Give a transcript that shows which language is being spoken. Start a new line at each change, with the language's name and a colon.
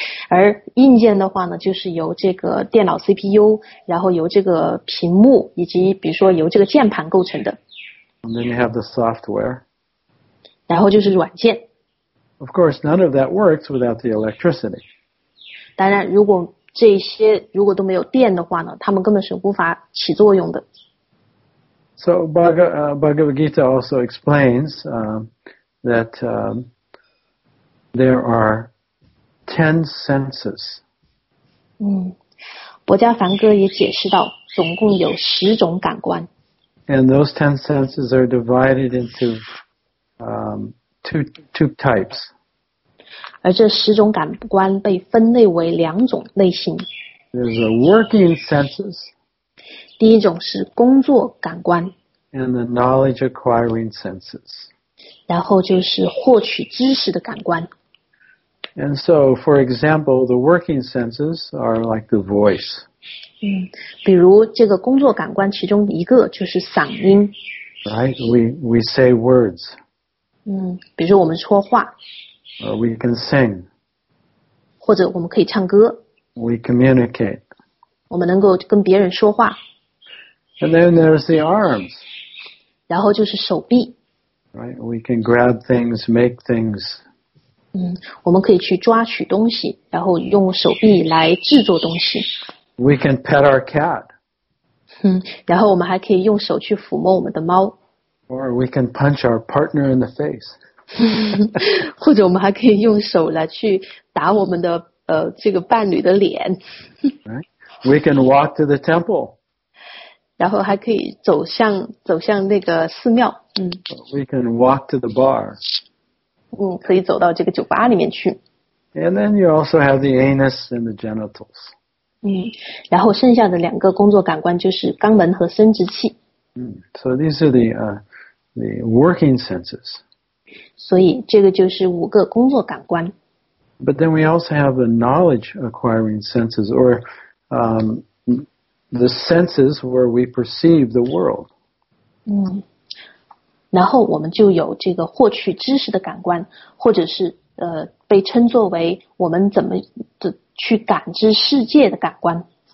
Chinese: 而硬件的话呢，就是由这个电脑 CPU, 然后由这个屏幕以及比如说由这个键盘构成的。
English: And then you have the software.
Chinese: 然后就是软件。
English: Of course, none of that works without the electricity.
Chinese: 当然如果这些如果都没有电的话呢，他们根本是无法起作用的。
English: So, Bhagavad Gita also explains, that there are 10 senses.
Chinese: 博迦梵歌也解释到总共有十种感官。
English: And those 10 senses are divided into two types.
Chinese: 而这十种感官被分类为两种类型。
English: There's the working senses.
Chinese: 第一种是工作感官。
English: And the knowledge acquiring senses.
Chinese: 然后就是获取知识的感官。
English: And so, for example, the working senses are like the voice.
Chinese: 比如这个工作感官其中一个就是嗓音。
English: Right, we say words.
Chinese: 比如我们说话。
English: Or we can sing.
Chinese: 或者我们可以唱歌。
English: We communicate.
Chinese: 我们能够跟别人说话。
English: And then there's the arms.
Chinese: 然后就是手臂。
English: Right, we can grab things, make things.
Chinese: 我们可以去抓取东西，然后用手臂来制作东西。
English: We can pet our cat.
Chinese: 然后我们还可以用手去抚摸我们的猫。
English: Or we can punch our partner in the face.
Chinese: 或者我们还可以用手来去打我们的这个伴侣的脸。
English: Right, we can walk to the temple.
Chinese: 然后还可以走向那个寺庙。
English: We can walk to the bar.
Chinese: 可以走到这个酒吧里面去。
English: And then you also have the anus and the genitals.
Chinese: 然后剩下的两个工作感官就是肛门和生殖器。
English: So these are the working senses.
Chinese: 所以这个就是五个工作感官。
English: But then we also have the knowledge acquiring senses, or the senses where we perceive the world.
Chinese: 然后我们就有这个获取知识的感官，或者是被称作为我们怎么的去感知世界的感官。